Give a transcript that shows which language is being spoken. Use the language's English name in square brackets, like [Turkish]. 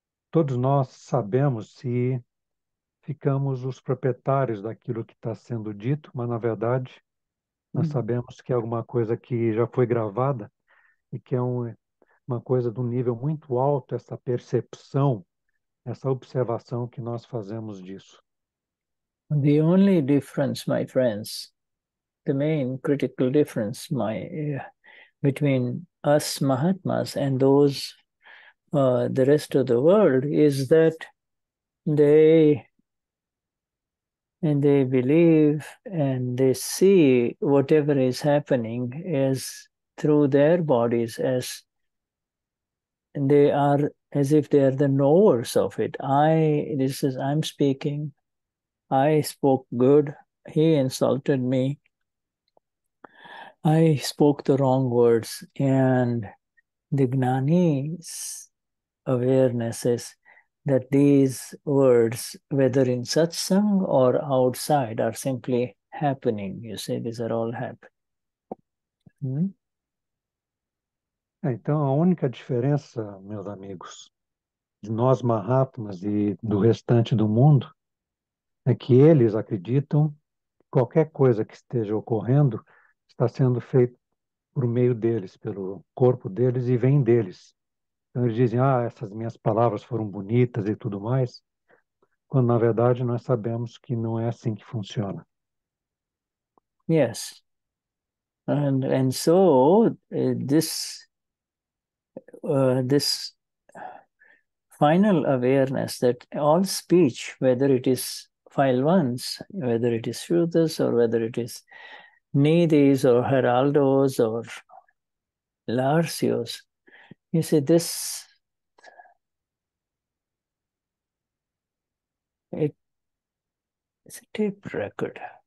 [Portuguese] Todos nós sabemos se ficamos os proprietários daquilo que está sendo dito, mas na verdade nós sabemos que é alguma coisa que já foi gravada e que é uma coisa de um nível muito alto, essa percepção, essa observação que nós fazemos disso. [English] The only difference, my friends, the main critical difference between us Mahatmas and those the rest of the world is that they believe and they see whatever is happening as through their bodies, as they are as if they are the knowers of it. I'm speaking. I spoke good. He insulted me. I spoke the wrong words. And the Gnani's awareness is that these words, whether in satsang or outside, are simply happening. You see, these are all happening. [Portuguese] Então, a única diferença, meus amigos, de nós Mahatmas e do restante do mundo, é que eles acreditam que qualquer coisa que esteja ocorrendo está sendo feito por meio deles, pelo corpo deles e vem deles. Então, eles dizem, ah, essas minhas palavras foram bonitas e tudo mais, quando, na verdade, nós sabemos que não é assim que funciona. [English] Yes, and so this final awareness that all speech, whether it is file ones, whether it is Shuddhas or whether it is Nidhis or Heraldos or Larcios, you see this, it's a tape record.